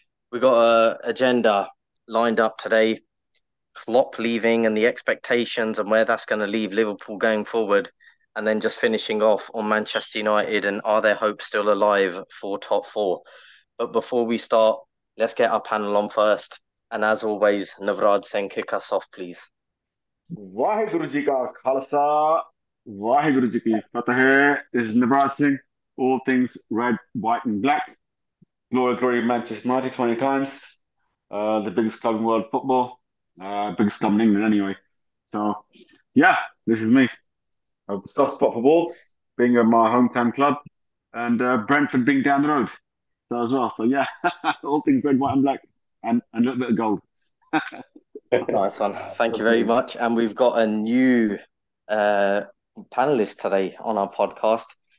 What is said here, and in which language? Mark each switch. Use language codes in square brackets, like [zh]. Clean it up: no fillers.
[en] We've got an agenda lined up today: Klopp leaving and the expectations and where that's going to leave Liverpool going forward. And then just finishing off on Manchester United and are their hopes still alive for top four? But before we start, let's get our panel on first. And as always, Navrad Sen, kick us off, please. [pa] Waheguru ji ਕਾ ਖਾਲਸਾ, ਵਾਹਿਗੁਰੂ ਜੀ ਕੀ ਫਤਿਹ। [en] Is Navraj Singh, all things red white and black, glory glory Manchester United 20 times, the biggest club in world football, biggest club in England anyway. So yeah, this is me, soft spot for Bolton, being a my home town club and Brentford being down the road, so as well, so yeah, all things red white and black and a little bit of gold. Nice one. Thank you very Absolutely. much. And we've got a new panelist today on our podcast.